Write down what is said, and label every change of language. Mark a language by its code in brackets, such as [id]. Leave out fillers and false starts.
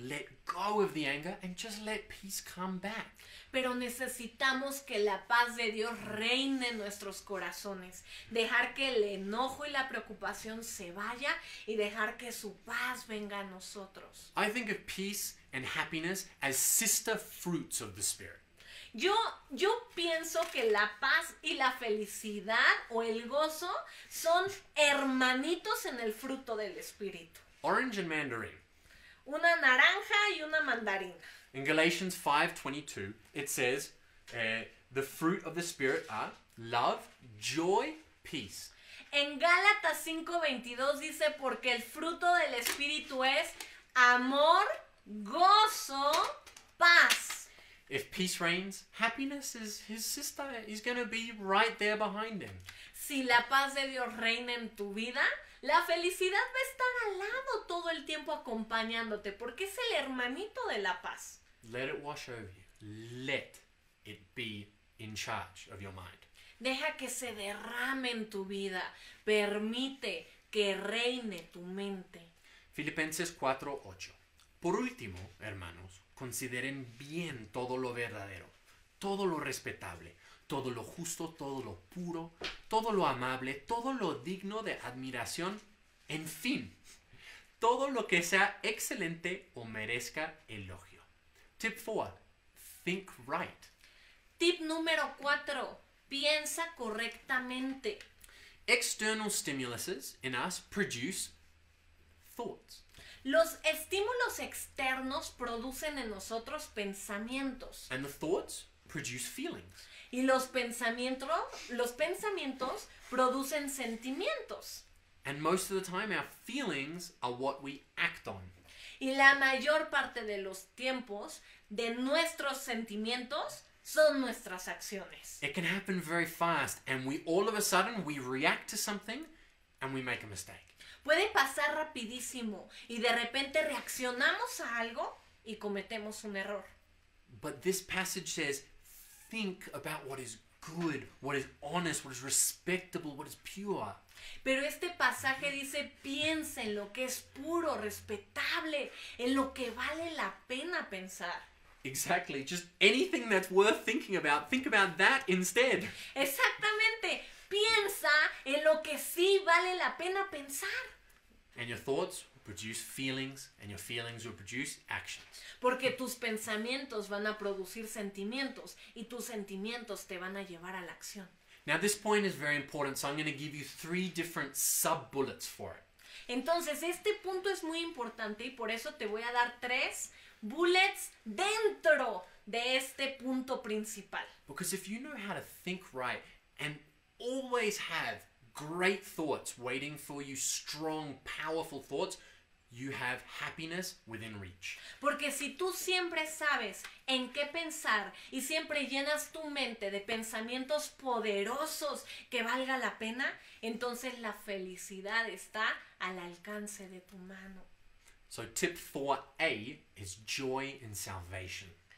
[en] Let go of the anger and just let peace come back. [es] Pero necesitamos que la paz de Dios reine en nuestros corazones. Dejar que el enojo y la preocupación se vaya y dejar que su paz venga a nosotros. [en] I think of peace and happiness as sister fruits of the Spirit. [es] Yo pienso que la paz y la felicidad o el gozo son hermanitos en el fruto del Espíritu. [en] Orange and mandarin. [es] Una naranja y una mandarina. [en] In Galatians 5:22, it says, the fruit of the Spirit are love, joy, peace. [es] En Gálatas 5:22 dice, porque el fruto del Espíritu es amor, gozo, paz. [en] If peace reigns, happiness is his sister. He's going to be right there behind him. [es] Si la paz de Dios reina en tu vida, la felicidad va a estar al lado todo el tiempo acompañándote, porque es el hermanito de la paz. [en] Let it wash over you. Let it be in charge of your mind. [es] Deja que se derrame en tu vida. Permite que reine tu mente. Filipenses 4:8. Por último, hermanos, consideren bien todo lo verdadero, todo lo respetable, todo lo justo, todo lo puro, todo lo amable, todo lo digno de admiración. En fin, todo lo que sea excelente o merezca elogio. [en] Tip 4. Think right. [es] Tip número 4. Piensa correctamente. [en] External stimuluses in us produce thoughts. [es] Los estímulos externos producen en nosotros pensamientos. [en] And the thoughts produce feelings. [es] Y los pensamientos producen sentimientos. [en] And most of the time our feelings are what we act on. [es] Y la mayor parte de los tiempos de nuestros sentimientos son nuestras acciones. [en] It can happen very fast and we all of a sudden we react to something and we make a mistake. [es] Puede pasar rapidísimo y de repente reaccionamos a algo y cometemos un error. [en] But this passage says, think about what is good, what is honest, what is respectable, what is pure. [es] Pero este pasaje dice, piensa en lo que es puro, respetable, en lo que vale la pena pensar. [en] Exactly, just anything that's worth thinking about, think about that instead. [es] Exactamente, piensa en lo que sí vale la pena pensar. [en] And your thoughts will produce feelings, and your feelings will produce actions. [es] Porque tus pensamientos van a producir sentimientos, y tus sentimientos te van a llevar a la acción. [en] Now this point is very important, so I'm going to give you 3 different sub-bullets for it. [es] Entonces, este punto es muy importante y por eso te voy a dar 3 bullets dentro de este punto principal. [en] Because if you know how to think right and always have great thoughts waiting for you, strong, powerful thoughts, you have happiness within reach. [es] Porque si tú siempre sabes en qué pensar y siempre llenas tu mente de pensamientos poderosos que valga la pena, entonces la felicidad está al alcance de tu mano. [en] So tip 4A is joy in salvation.